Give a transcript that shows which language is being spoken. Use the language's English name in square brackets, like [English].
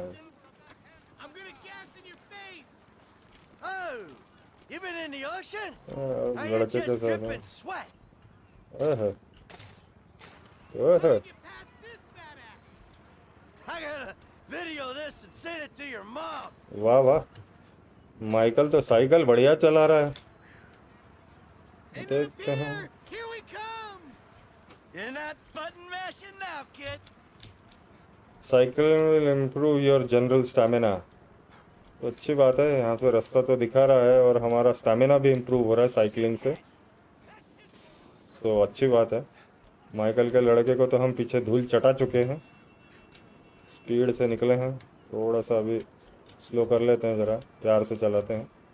[English] I'm gonna gas in your face. Oh, you've been in the ocean? I am just dripping sweat. I gotta video this and send it to your mom. [Hindi] वाह वाह, Michael तो cycle बढ़िया चला रहा है। देखते हैं। [English] Here we come. You're not button mashing now, kid. Cycling will improve your general stamina. [Hindi] अच्छी बात है, यहाँ पे रास्ता तो दिखा रहा है और हमारा स्टैमिना भी इम्प्रूव हो रहा है साइकिलिंग से, तो अच्छी बात है। माइकल के लड़के को तो हम पीछे धूल चटा चुके हैं, स्पीड से निकले हैं, थोड़ा सा अभी स्लो कर लेते हैं, ज़रा प्यार से चलाते हैं।